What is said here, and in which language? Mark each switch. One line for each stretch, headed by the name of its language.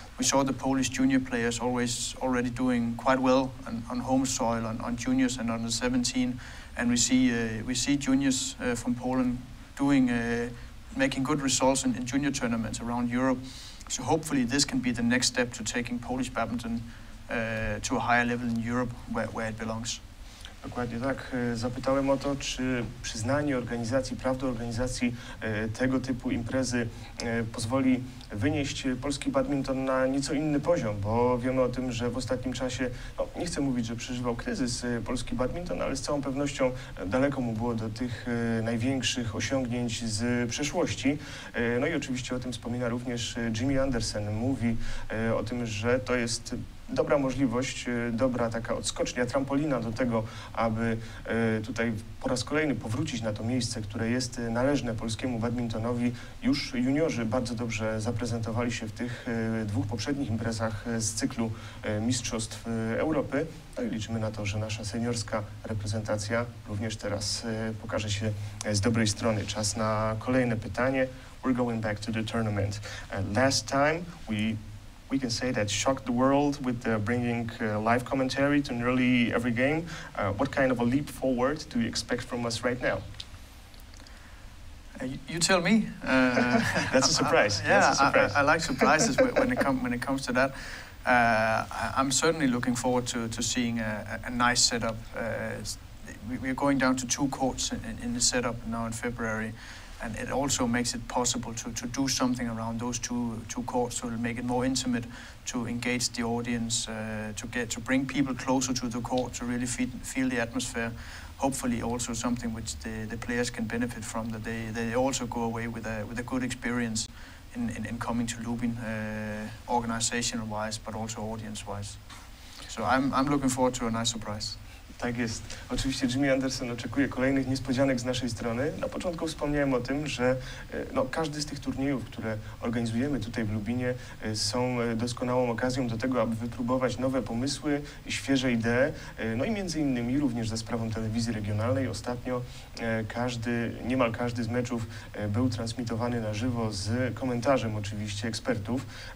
English: We saw the Polish junior players already doing quite well on home soil, on juniors and under 17, and we see juniors from Poland making good results in junior tournaments around Europe. So hopefully this can be the next step to taking Polish badminton to a higher level in Europe where it belongs.
Polish: Dokładnie tak. Zapytałem o to, czy przyznanie organizacji, praw do organizacji tego typu imprezy pozwoli wynieść polski badminton na nieco inny poziom, bo wiemy o tym, że w ostatnim czasie, no, nie chcę mówić, że przeżywał kryzys polski badminton, ale z całą pewnością daleko mu było do tych największych osiągnięć z przeszłości. No i oczywiście o tym wspomina również Jimmy Anderson. Mówi o tym, że to jest dobra możliwość, dobra taka odskocznia, trampolina do tego, aby tutaj po raz kolejny powrócić na to miejsce, które jest należne polskiemu badmintonowi. Już juniorzy bardzo dobrze zaprezentowali się w tych dwóch poprzednich imprezach z cyklu Mistrzostw Europy. No i liczymy na to, że nasza seniorska reprezentacja również teraz pokaże się z dobrej strony. Czas na kolejne pytanie.
English: We're going back to the tournament. Last time we can say that shocked the world with bringing live commentary to nearly every game. What kind of a leap forward do you expect from us right now? You tell me. That's a surprise. I like surprises when it comes to that. I'm certainly looking forward to seeing a nice setup. We're going down to two courts in the setup now in February. And it also makes it possible to do something around those two courts, so it'll make it more intimate to engage the audience, to bring people closer to the court, to really feel the atmosphere. Hopefully also something which the players can benefit from, that they also go away with a good experience in coming to Lubin, organizational-wise, but also audience-wise. So I'm looking forward to a nice surprise.
Polish: Tak jest. Oczywiście Jimmy Anderson oczekuje kolejnych niespodzianek z naszej strony. Na początku wspomniałem o tym, że no, każdy z tych turniejów, które organizujemy tutaj w Lubinie, są doskonałą okazją do tego, aby wypróbować nowe pomysły, świeże idee. No i między innymi również ze sprawą telewizji regionalnej. Ostatnio niemal każdy z meczów był transmitowany na żywo z komentarzem oczywiście ekspertów.